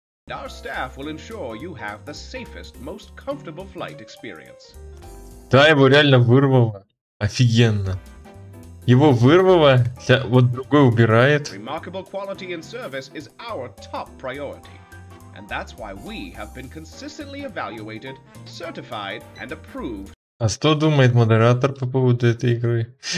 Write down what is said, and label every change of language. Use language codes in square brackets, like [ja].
[en] Our staff will ensure you have the safest, most comfortable flight experience. [ru] Да, его реально вырвало. Офигенно. Его вырвало, вот другой убирает. [en] Remarkable quality and service is our top priority. And that's why we have been consistently evaluated, certified and approved. [ru] А что думает модератор по поводу этой игры?